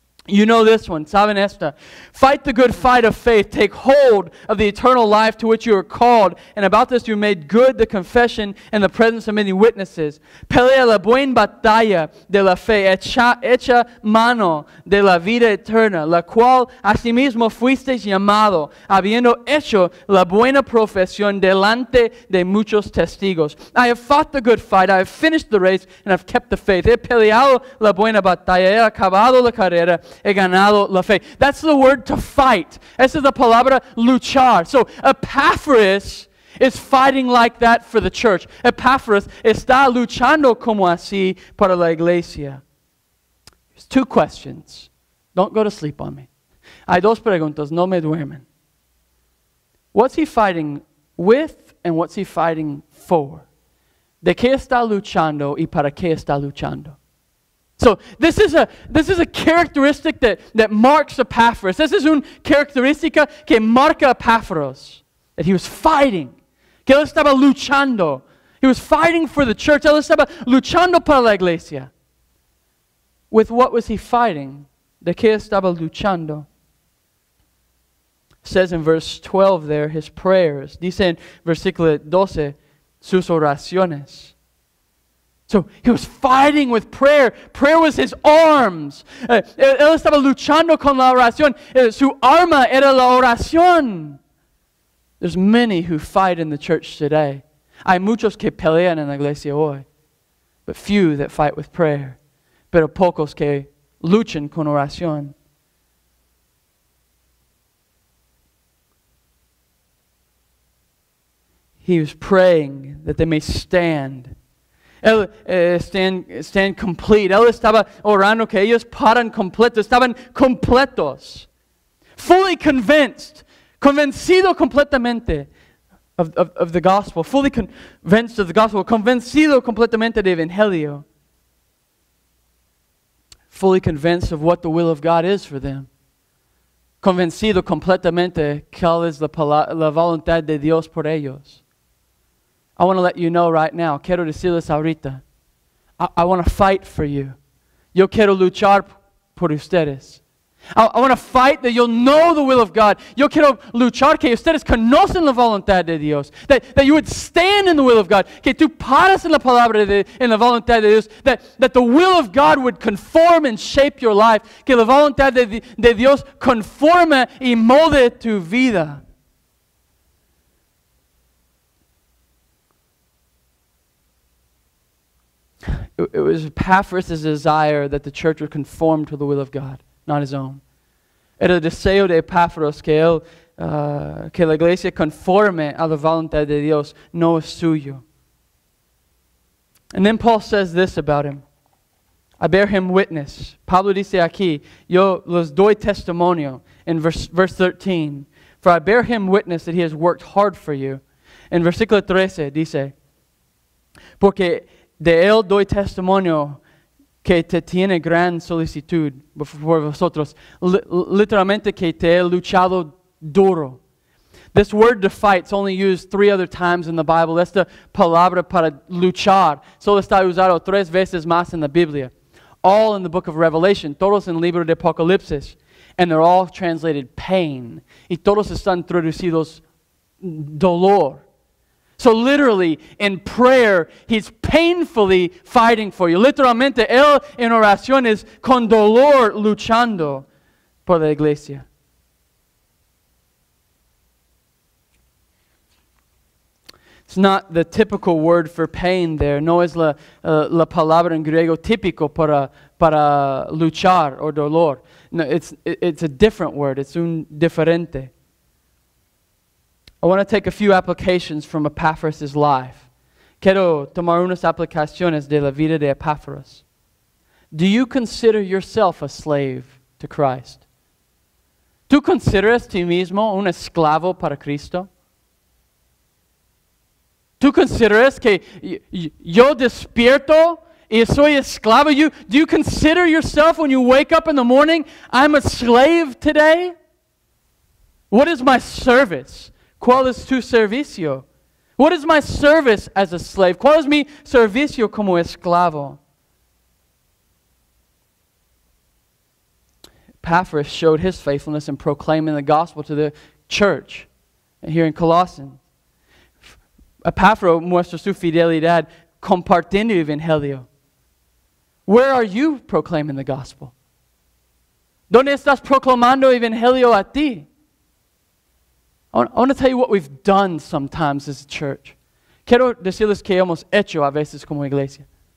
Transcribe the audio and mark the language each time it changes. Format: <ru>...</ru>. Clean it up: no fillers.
<en>You know this one.</en> <es>Saben esta.</es> <en>Fight the good fight of faith. Take hold of the eternal life to which you are called. And about this you made good the confession in the presence of many witnesses.</en> <es>Pelea la buena batalla de la fe. Echa mano de la vida eterna. La cual asimismo fuisteis llamado. Habiendo hecho la buena profesión delante de muchos testigos.</es> <en>I have fought the good fight. I have finished the race and I have kept the faith.</en> <es>He peleado la buena batalla. He acabado la carrera. He ganado la fe.</es> <en>That's the word to fight.</en> <es>Esa es la palabra luchar.</es> <en>So Epaphras is fighting like that for the church.</en> <es>Epaphras está luchando como así para la iglesia.</es> <en>There's two questions. Don't go to sleep on me.</en> <es>Hay dos preguntas. No me duermen.</es> <en>What's he fighting with and what's he fighting for?</en> <es>¿De qué está luchando y para qué está luchando?</es> <en>So this is a characteristic that marks Epaphras. This is</en> <es>un característica que marca</es> <en>Epaphras. That he was fighting.</en> <es>Que él estaba luchando.</es> <en>He was fighting for the church.</en> <es>Él estaba luchando para la iglesia.</es> <en>With what was he fighting?</en> <es>De que estaba luchando?</es> <en>It says in verse 12 there, his prayers.</en> <es>Dice en versículo 12, sus oraciones.</es> <en>So he was fighting with prayer. Prayer was his arms.</en> <es>Él estaba luchando con la oración. Su arma era la oración.</es> <en>There's many who fight in the church today.</en> <es>Hay muchos que pelean en la iglesia hoy.</es> <en>But few that fight with prayer.</en> <es>Pero pocos que luchan con oración.</es> <en>He was praying that they may stand. Él stand complete.</en> <es>Él estaba orando que ellos paran completos. Estaban completos.</es> <en>Fully convinced.</en> <es>Convencido completamente</es> <en>of the gospel. Fully convinced of the gospel.</en> <es>Convencido completamente de Evangelio.</es> <en>Fully convinced of what the will of God is for them.</en> <es>Convencido completamente cuál es la voluntad de Dios por ellos.</es> <en>I want to let you know right now.</en> <es>Quiero decirles ahorita.</es> <en>I want to fight for you.</en> <es>Yo quiero luchar por ustedes.</es> <en>I want to fight that you'll know the will of God.</en> <es>Yo quiero luchar que ustedes conocen la voluntad de Dios.</es> <en>That you would stand in the will of God.</en> <es>Que tú paras en la palabra de en la voluntad de Dios.</es> <en>That the will of God would conform and shape your life.</en> <es>Que la voluntad de Dios conforme y molde tu vida.</es> <en>It was Epaphras' desire that the church would conform to the will of God, not his own.</en> <es>Era el deseo de Epaphras que él, que la iglesia conforme a la voluntad de Dios, no es suyo.</es> <en>And then Paul says this about him. I bear him witness.</en> <es>Pablo dice aquí, yo les doy testimonio</es> <en>in verse 13. For I bear him witness that he has worked hard for you.</en> <es>In versículo 13 dice, porque de él doy testimonio que te tiene gran solicitud por vosotros. Literalmente que te he luchado duro.</es> <en>This word to fight is only used three other times in the Bible.</en> <es>Es la palabra para luchar. Solo está usado tres veces más en la Biblia.</es> <en>All in the book of Revelation.</en> <es>Todos en el libro de Apocalipsis.</es> <en>And they're all translated pain.</en> <es>Y todos están traducidos dolor.</es> <en>So literally, in prayer, he's painfully fighting for you.</en> <es>Literalmente, él en oración es con dolor luchando por la iglesia.</es> <en>It's not the typical word for pain there.</en> <es>No es la palabra en griego típico para luchar o dolor.</es> <en>No, it's a different word. It's</en> <es>un diferente.</es> <en>I want to take a few applications from Epaphras' life.</en> <es>Quiero tomar unas aplicaciones de la vida de Epaphras.</es> <en>Do you consider yourself a slave to Christ?</en> <es>¿Tú consideras ti mismo un esclavo para Cristo? ¿Tú consideras que yo despierto y soy esclavo?</es> <en>Do you consider yourself when you wake up in the morning, I'm a slave today? What is my service?</en> <es>¿Cuál es tu servicio?</es> <en>What is my service as a slave?</en> <es>¿Cuál es mi servicio como esclavo?</es> <en>Epaphras showed his faithfulness in proclaiming the gospel to the church here in Colossians.</en> <es>Epaphras muestra su fidelidad compartiendo el evangelio.</es> <en>Where are you proclaiming the gospel?</en> <es>¿Dónde estás proclamando evangelio a ti?</es> <en>I want to tell you what we've done sometimes as a church.</en> <es>Quiero decirles que hemos hecho a veces como iglesia.</es>